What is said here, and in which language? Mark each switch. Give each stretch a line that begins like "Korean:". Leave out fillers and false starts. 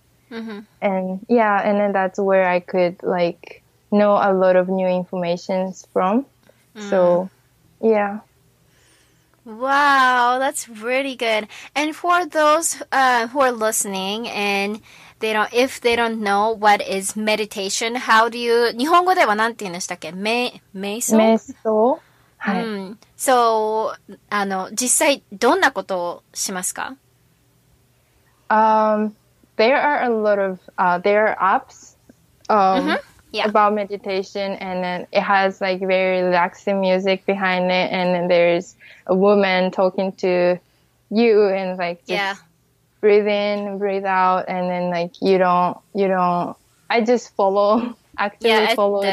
English: And yeah, and then that's where I could like know a lot of new information from. So yeah. Wow, that's really good. And for those who are listening, and if they don't know what is meditation, how do you
Japanese: 日本語ではなんて言うんでしたっけ？瞑想。はい。 So, 実際どんなことをしますか？
English: There are a lot of there are apps about meditation, and then it has like very relaxing music behind it, and then there's a woman talking to you, and like just breathe in, breathe out, and then like you don't I just follow follow